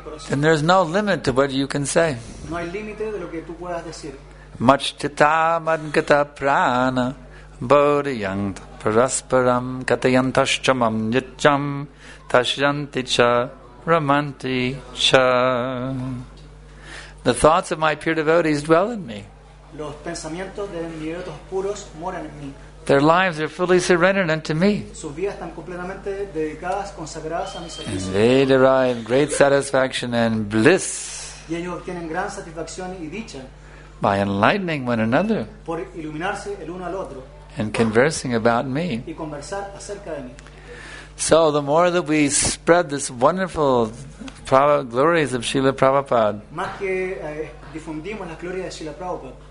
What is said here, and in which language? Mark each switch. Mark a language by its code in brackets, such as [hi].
[en] and there's no limit to what you can say. [es] No hay límite de lo que tú puedas decir. [sa] Machchita madgata prana bodhiyang parasparam katayantaschamam yacham tashyanti cha ramanti cha. [en] The thoughts of my pure devotees dwell in me. [es] Los pensamientos de mis devotos puros moran en mí. [en] Their lives are fully surrendered unto me. [es] Sus vidas están completamente dedicadas, consagradas a mi servicio. [en] And they derive great satisfaction and bliss. [es] Y ellos obtienen gran satisfacción y dicha. [en] By enlightening one another. [es] Por iluminarse el uno al otro. [en] And conversing about me. [es] Y conversar acerca de mí. [en] So the more that we spread this wonderful glories of Srila Prabhupada. [es] Más que difundimos las glorias de Srila Prabhupada.